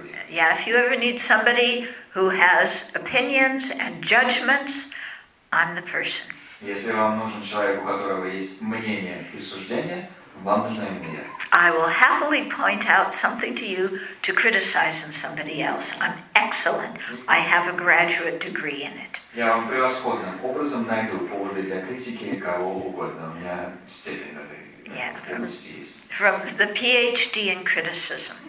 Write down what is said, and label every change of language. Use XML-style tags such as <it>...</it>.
<en>Yeah, if you ever need somebody who has opinions and judgments, I'm the person.</en> <ru>Если вам нужен человек, у которого есть мнение и суждение, вам нужна и мне.</ru> <en>I will happily point out something to you to criticize in somebody else. I'm excellent. I have a graduate degree in it.</en> <ru>Я вам превосходным образом найду поводы для критики кого угодно. У меня степень на этой.</ru> <en>Yeah, from the PhD in criticism.</en>